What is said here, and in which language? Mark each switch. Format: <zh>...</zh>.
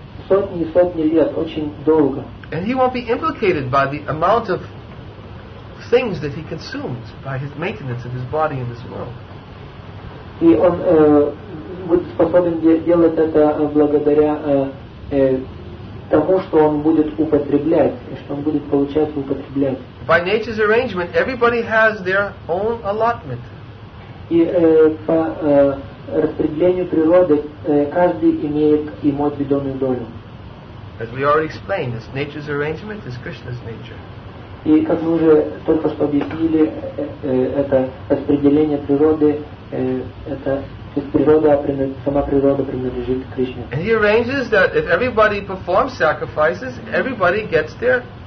<en>And he won't be implicated by the amount of things that he consumes by his maintenance of his body in this world.</en> <ru>И он будет способен делать это благодаря тому, что он будет употреблять, что он будет получать и употреблять.</ru> <en>By nature's arrangement, everybody has their own allotment.</en> <ru>И по распределению природы каждый имеет ему отведенную долю.</ru> <en>As we already explained, this nature's arrangement is Krishna's nature.</en> <ru>И как мы уже только что объяснили, это распределение природы это сама природа принадлежит Кришне.</ru> <en>And he arranges that if everybody performs sacrifices, everybody gets their</en>